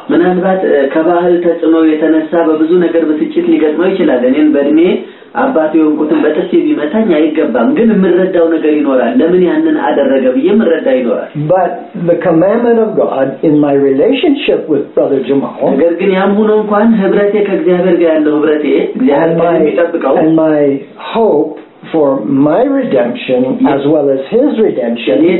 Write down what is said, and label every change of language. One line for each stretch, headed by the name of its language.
Amharic: ምናልባት ከባህል ተጽዕኖ የተነሳ በብዙ ነገር በትችት ሊገጥመው ይችላል እኔን በእድሜ አባቴ ወንቁትን በጥፊ ቢመታኝ አይገባም ግን ምረዳው ነገር ይኖራል ለምን ያንን አደረገ ብዬ ምረዳ ይኖራል
English: but the commandment of god in my relationship with brother jamal
Amharic: ነገር ግን ያም ሆኖ እንኳን ህብረቴ ከእግዚአብሔር ጋር ያለው ህብረቴ እግዚአብሔር የሚጠብቀው
English: and my hope for my redemption as well as his redemption.